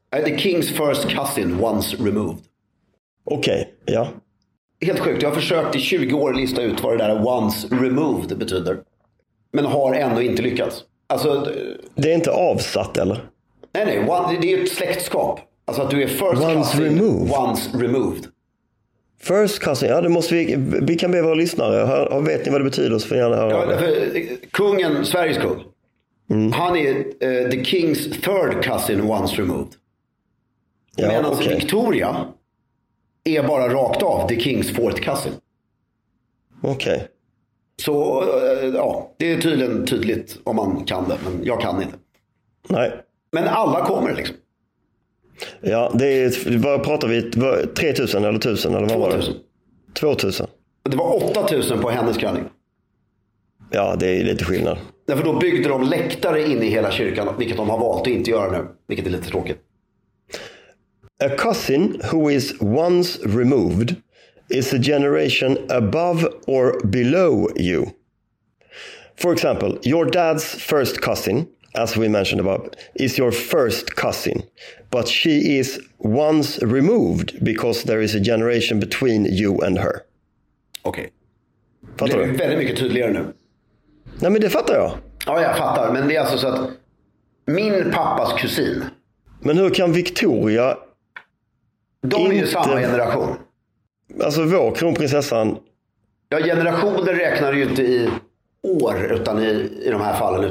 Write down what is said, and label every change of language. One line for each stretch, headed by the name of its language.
English: The king's first cousin once removed.
Swedish: Okej, okay, ja. Helt sjukt, jag har försökt i 20 år lista ut vad det där once removed betyder. Men har ändå inte lyckats. Alltså, det är inte avsatt, eller? Nej, det är ett släktskap. Alltså att du är first cousin,
English: removed. Once removed.
Swedish: First cousin, ja, det måste vi kan be våra lyssnare. Vet ni vad det betyder? Så får ni gärna höra. Kungen, Sveriges kung. Mm. Han är
English: the king's third cousin once removed.
Swedish: Ja, men alltså okay. Victoria är bara rakt av
English: The Kings Fort Castle.
Swedish: Okej. Okay. Så ja, det är tydligen tydligt om man kan det, men jag kan inte. Nej. Men alla kommer liksom. Ja, det är, vad pratar vi, 3000 eller 1000 eller vad 2000. Var det? 2000. Det var 8000 på hennes kröning. Ja, det är lite skillnad. Därför då byggde de läktare in i hela kyrkan, vilket de har valt att inte göra nu, vilket är lite tråkigt.
English: A cousin who is once removed is a generation above or below you. For example, your dad's first cousin, as we mentioned above, is your first cousin. But she is once removed because there is a generation between you and her.
Swedish: Okej. Okay. Fattar du? Det är väldigt mycket tydligare nu. Nej, men det fattar jag. Ja, jag fattar. Men det är alltså så att min pappas kusin... Men hur kan Victoria... De är ju samma generation. Alltså vår kronprinsessan... Ja, generationer räknar ju inte i år utan i de här fallen.